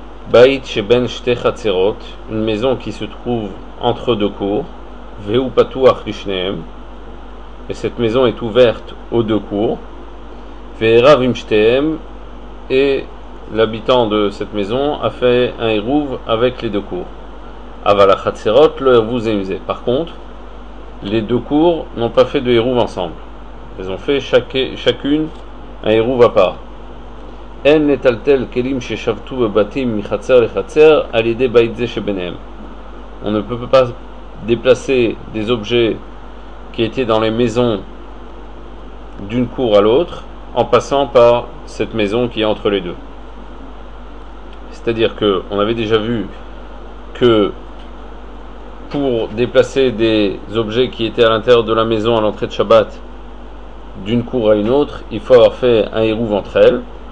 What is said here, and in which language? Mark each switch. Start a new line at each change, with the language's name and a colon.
Hebrew: בית שבין שתי חצרות,
French: une maison qui se trouve entre deux cours,
Hebrew: והוא פתוח לשניהם,
French: et cette maison est ouverte aux deux cours,
Hebrew: ועירב עם שתיהם,
French: et l'habitant de cette maison a fait un עירוב avec les deux cours.
Hebrew: אבל החצרות לא עירבו זה עם זה.
French: Par contre, les deux cours n'ont pas fait de עירוב ensemble. Elles ont fait chacune un עירוב à part.
Hebrew: אין לטלטל כלים ששבתו בבתים מחצר לחצר על ידי בית זה שביניהם.
French: On ne peut pas déplacer des objets qui étaient dans les maisons d'une cour à l'autre en passant par cette maison qui est entre les deux. C'est-à-dire qu'on avait déjà vu que pour déplacer des objets qui étaient à l'intérieur de la maison à l'entrée de Shabbat d'une cour à une autre, il faut avoir fait un hérouve entre elles.